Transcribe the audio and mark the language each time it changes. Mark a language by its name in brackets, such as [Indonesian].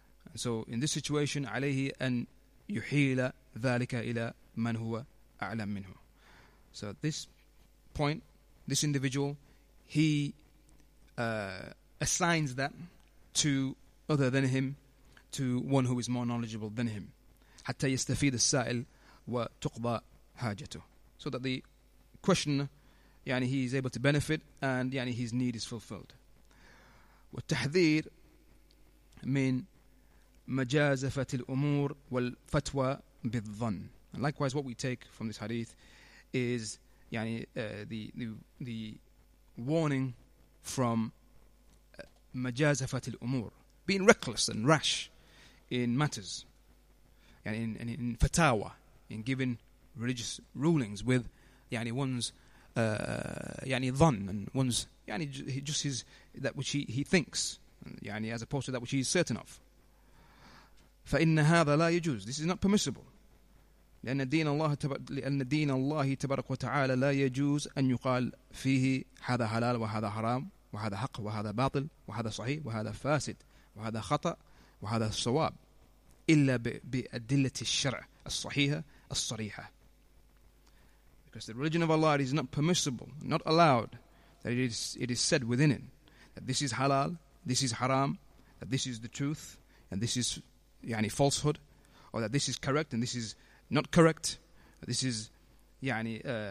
[English] And so in this situation [Arabic] عليه أن يحيل ذلك إلى من هو أعلم منه. [English] So at this point, this individual, he assigns that to other than him, to one who is more knowledgeable than him. [Arabic] حتى يستفيد السائل وتقضى حاجته, [English] so that the question, يعني, he is able to benefit and يعني his need is fulfilled. [Arabic] والتحذير من مجازفة الأمور والفتوى بالظن. [English] And likewise, what we take from this hadith is يعني the warning from [Arabic] مجازفة الأمور, [English] being reckless and rash in matters, and in fatawa, in giving religious rulings with يعني one's يعني ظن, and one's يعني just his, that which he thinks, يعني, as opposed to that which he is certain of. [Arabic] فإن هذا لا يجوز, [English] this is not permissible. [Arabic] لأن دين الله تبارك وتعالى لا يجوز أن يقال فيه هذا حلال وهذا حرام وهذا حق وهذا باطل وهذا صحيح وهذا فاسد وهذا خطأ وهذا صواب إلا بأدلة الشرع الصحيحة الصريحة. [English] Because the religion of Allah is not permissible, not allowed, that it is said within it that this is halal, this is haram, that this is the truth and this is يعني falsehood, or that this is correct and this is not correct, this is يعني